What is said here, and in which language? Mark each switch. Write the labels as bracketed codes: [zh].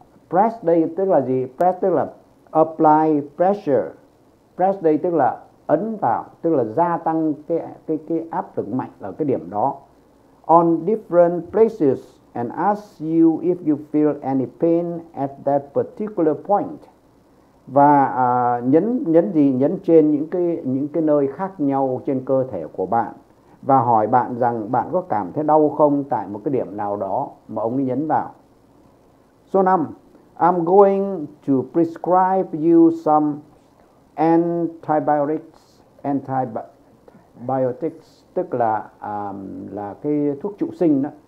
[vi] Press đây tức là gì? Press tức là apply pressure. Press đây tức là ấn vào, tức là gia tăng cái áp lực mạnh ở cái điểm đó. [en] On different places and ask you if you feel any pain at that particular point. [vi] Và nhấn trên những cái nơi khác nhau trên cơ thể của bạn, và hỏi bạn rằng bạn có cảm thấy đau không tại một cái điểm nào đó mà ông ấy nhấn vào. Số 5, [en] I'm going to prescribe you some antibiotics, [vi] tức là cái thuốc trụ sinh đó.